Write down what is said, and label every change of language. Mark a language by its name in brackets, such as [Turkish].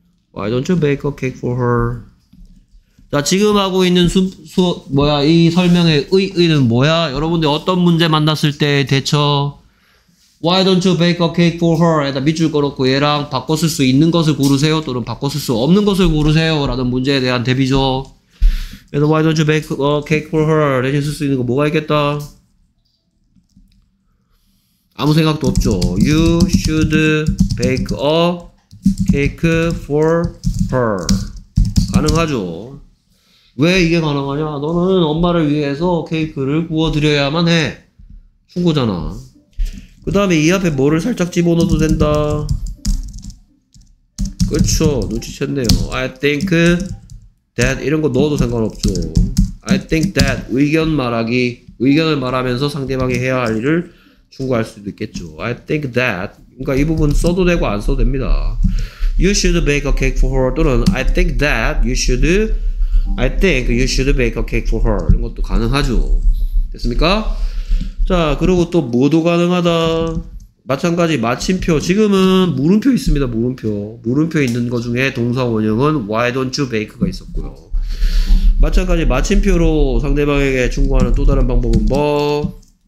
[English] Why don't you bake a cake for her? [Korean] 자 지금 하고 있는 뭐야 이 설명의 의의는 뭐야? 여러분들 어떤 문제 만났을 때 대처 [English] Why don't you bake a cake for her? [Korean] 에다 밑줄 걸었고 얘랑 바꿨을 수 있는 것을 고르세요 또는 바꿨을 수 없는 것을 고르세요 라는 문제에 대한 대비죠 그래서 [English] Why don't you bake a cake for her? [Korean] 대신 쓸 수 있는 거 뭐가 있겠다? 아무 생각도 없죠. [English] You should bake a cake for her. [Korean] 가능하죠. 왜 이게 가능하냐? 너는 엄마를 위해서 케이크를 구워드려야만 해. 충고잖아. 그 다음에 이 앞에 뭐를 살짝 집어넣어도 된다. 그쵸. 눈치챘네요. [English] I think that [Korean] 이런 거 넣어도 상관없죠. [English] I think that [Korean] 의견 말하기. 의견을 말하면서 상대방이 해야 할 일을 충고할 수도 있겠죠. [English] I think that [Korean] 그러니까 이 부분 써도 되고 안 써도 됩니다. [English] You should bake a cake for her [Korean] 또는 [English] I think that you should I think you should bake a cake for her [Korean] 이런 것도 가능하죠. 됐습니까? 자 그리고 또 뭐도 가능하다. 마찬가지 마침표 지금은 물음표 있습니다. 물음표 물음표 있는 것 중에 동사 원형은 [English] Why don't you bake [Korean] 가 있었고요. 마찬가지 마침표로 상대방에게 충고하는 또 다른 방법은 뭐?